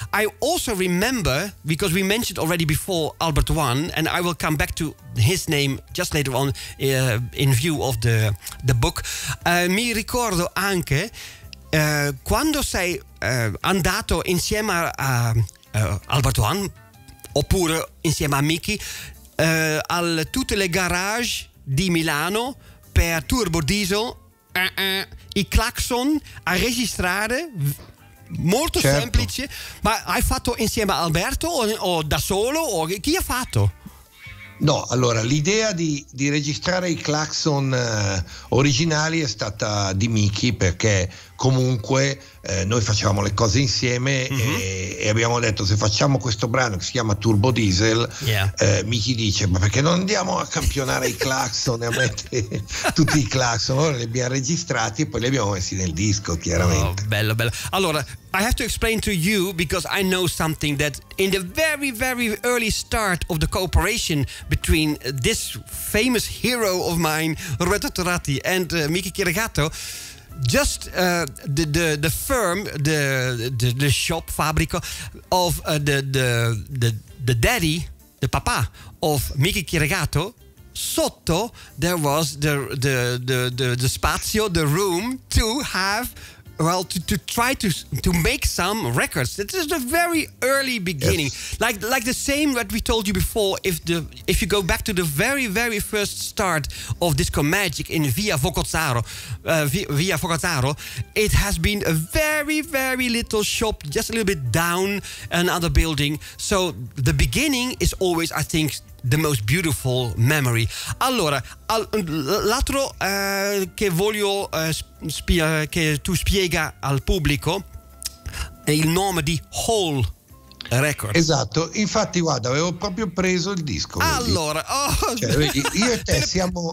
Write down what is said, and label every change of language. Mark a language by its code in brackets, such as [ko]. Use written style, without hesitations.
[en] I also remember, because we mentioned already before Albert One, and I will come back to his name just later on in view of the book. [it] Mi ricordo anche quando sei andato insieme a Albert One, oppure insieme a Mickey, al tutte le garage di Milano per Turbo Diesel. I clacson a registrare, molto certo. Semplice, ma hai fatto insieme a Alberto o da solo, o chi ha fatto? No, allora l'idea di registrare i clacson originali è stata di Mickey, perché comunque noi facevamo le cose insieme, e abbiamo detto, se facciamo questo brano che si chiama Turbo Diesel, Michi dice, ma perché non andiamo a campionare i clacson e a mettere tutti i clacson? Allora li abbiamo registrati e poi li abbiamo messi nel disco, chiaramente. Oh, bello, bello. Allora, [en] I have to explain to you, because I know something, that in the very, very early start of the cooperation between this famous hero of mine, Roberto Turatti, and Michi Chirigato, just the firm, the shop, fabrico of the daddy, the papa of Michi Chirigato, [it] sotto [en] there was the [it] spazio, [en] the room to have, well, to try to make some records. This is the very early beginning. Yes. Like the same what we told you before, if you go back to the very, very first start of Disco Magic in Via Focazzaro, it has been a very, very little shop, just a little bit down another building. So the beginning is always, I think, the most beautiful memory. [it] Allora, l'altro che voglio che tu spiega al pubblico è il nome di Hall Records. Esatto, infatti guarda, avevo proprio preso il disco. Allora, Io e te siamo